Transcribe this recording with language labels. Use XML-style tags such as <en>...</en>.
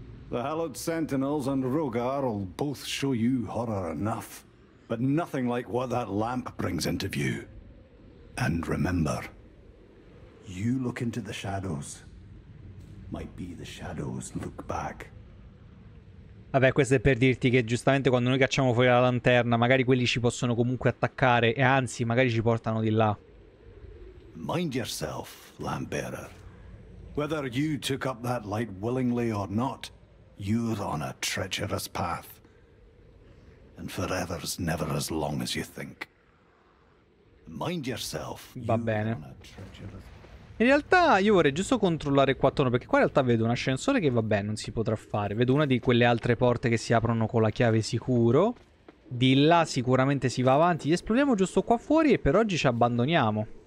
<en>The Hallowed Sentinels and Rogar will both show you horror enough, but nothing like what that lamp brings into view. And remember, you look into the shadows. Might be the shadows look back.</en> <it>Vabbè, questo è per dirti che giustamente quando noi cacciamo fuori la lanterna, magari quelli ci possono comunque attaccare e anzi, magari ci portano di là.</it> <en>Mind yourself, Lampbearer. Whether you took up that light willingly or not, you're on a treacherous path. And forever's never as long as you think. Mind yourself.</en> <it>Va bene. In realtà io vorrei giusto controllare qua attorno, perché qua in realtà vedo un ascensore che, vabbè, non si potrà fare. Vedo una di quelle altre porte che si aprono con la chiave sicuro. Di là sicuramente si va avanti. Li esploriamo giusto qua fuori e per oggi ci abbandoniamo.</it>